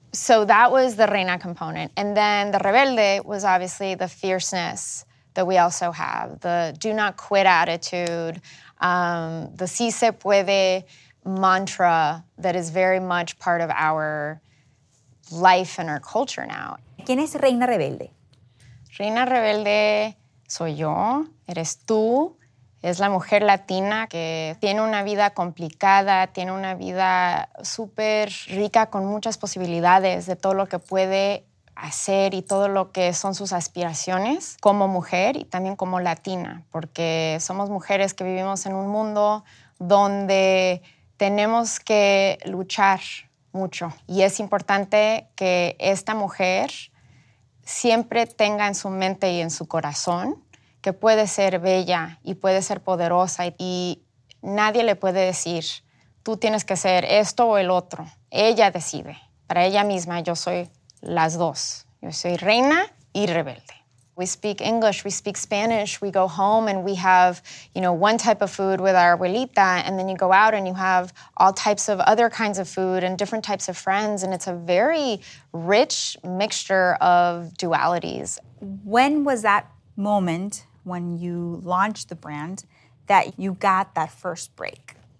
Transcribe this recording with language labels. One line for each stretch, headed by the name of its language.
English: So that was the Reina component. And then the Rebelde was obviously the fierceness that we also have, the do not quit attitude, the
Spanish: si se puede
English: mantra that is very much part of our life and our culture now.
Spanish: ¿Quién es Reina Rebelde? Reina Rebelde soy yo, eres tú, es la mujer latina que tiene una vida complicada, tiene una vida súper rica con muchas posibilidades de todo lo que puede hacer y todo lo que son sus aspiraciones como mujer y también como latina, porque somos mujeres que vivimos en un mundo donde tenemos que luchar mucho. Y es importante que esta mujer siempre tenga en su mente y en su corazón que puede ser bella y puede ser poderosa y nadie le puede decir, tú tienes que ser esto o el otro. Ella decide. Para ella misma, yo soy las dos. Yo soy reina y rebelde.
English: We speak English, we speak Spanish, we go home and we have, you know, one type of food with our abuelita, and then you go out and you have all types of other kinds of food and different types of friends, and it's a very rich mixture of dualities. When was that moment when you launched the brand that you got that first break?